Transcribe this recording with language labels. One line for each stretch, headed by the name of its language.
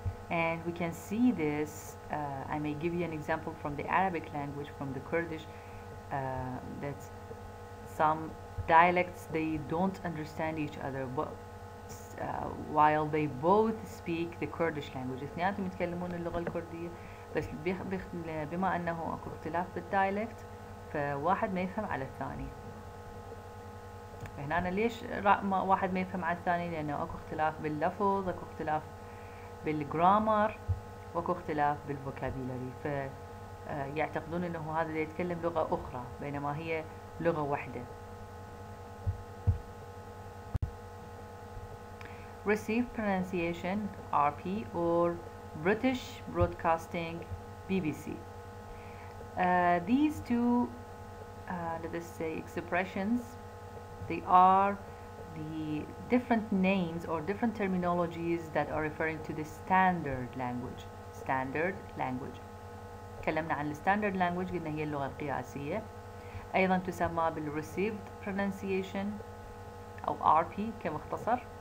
English: And we can see this. I may give you an example from the Arabic language, from the Kurdish. That some dialects they don't understand each other, but while they both speak the Kurdish language.
Arabic: اثنيناتهم يتكلمون اللغة الكردية بس بما أنه أكو اختلاف بالدايلكت فواحد ما يفهم على الثاني. هنا أنا ليش واحد ما يفهم على الثاني؟ لأنه أكو اختلاف باللفظ, أكو اختلاف بالجرامر, وأكو اختلاف بالفوكابيلاري. فيعتقدون أنه هذا اللي يتكلم لغة أخرى بينما هي لغة واحدة.
English: Received pronunciation RP or British Broadcasting BBC. These two, let us say, expressions, they are the different names or different terminologies that are referring to the standard language. Standard language.
Arabic: كلمنا عن the standard language, قلنا هي اللغة القياسية. أيضا تسمى بال received pronunciation أو RP كمختصر.